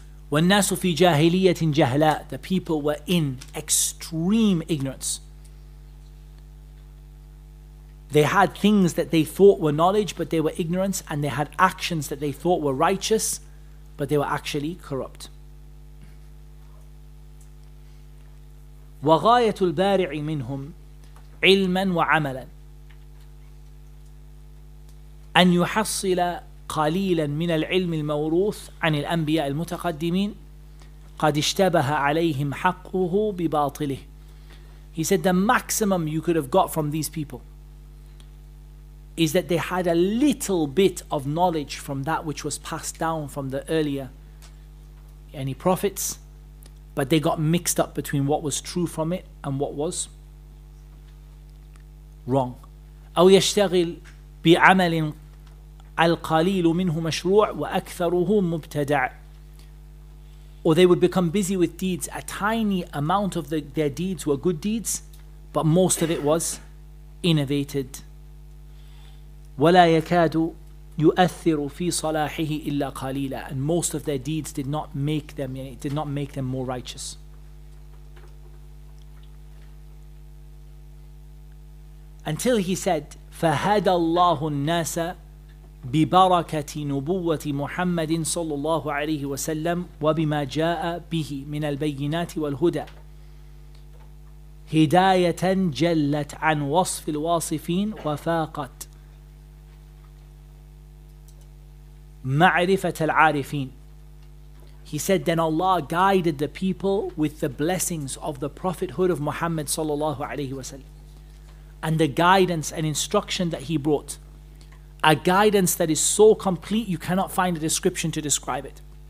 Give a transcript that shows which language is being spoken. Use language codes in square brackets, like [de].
[ar] وَالنَّاسُ فِي جَاهِلِيَّةٍ جَهْلًا. [en] The people were in extreme ignorance. They had things that they thought were knowledge, but they were ignorant, and they had actions that they thought were righteous, but they were actually corrupt. [ar] وَغَايَةُ الْبَارِعِ مِنْهُمْ عِلْمًا وَعَمَلًا أن يحصل قليلا من العلم الموروث عن الأنبياء المتقدمين قد اشتبه عليهم حقه بباطله. [en] He said the maximum you could have got from these people is that they had a little bit of knowledge from that which was passed down from the earlier any prophets, but they got mixed up between what was true from it and what was wrong. [ar] أو يشتغل بعمل القليل منه مشروع وأكثره مبتدع. [en] Or they would become busy with deeds. A tiny amount of their deeds were good deeds, but most of it was innovated. [ar] ولا يكاد يؤثر في صلاحه إلا قليلا. [en] And most of their deeds did not make them, it did not make them more righteous. Until he said, [ar] فهدى الله الناس ببركة نبوة محمد صلى الله عليه وسلم وبما جاء به من البينات والهدى هداية جلت عن وصف الواصفين وفاقت معرفة العارفين. [en] He said then Allah guided the people with the blessings of the prophethood of Muhammad [ar] صلى الله عليه وسلم [en] and the guidance and instruction that he brought. A guidance that is so complete you cannot find a description to describe it.